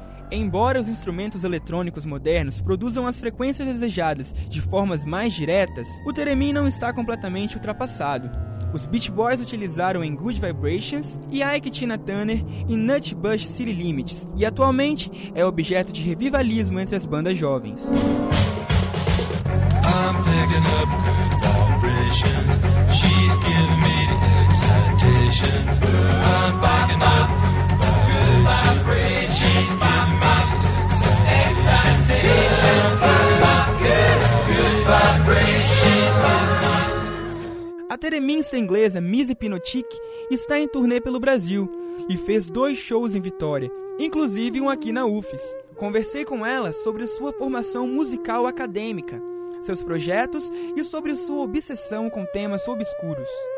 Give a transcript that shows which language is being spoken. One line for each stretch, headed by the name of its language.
Portuguese: Embora os instrumentos eletrônicos modernos produzam as frequências desejadas de formas mais diretas, o Theremin não está completamente ultrapassado. Os Beach Boys utilizaram em Good Vibrations e Ike Tina Turner em Nutbush City Limits, e atualmente é objeto de revivalismo entre as bandas jovens.
English: I'm picking up good vibrations. She's giving me the excitations. I'm backing up good vibrations. She's giving me the excitations.
Portuguese: A tereminsa inglesa Miss Hypnotic está em turnê pelo Brasil e fez dois shows em Vitória, inclusive um aqui na UFES. Conversei com ela sobre sua formação musical acadêmica, seus projetos e sobre sua obsessão com temas obscuros.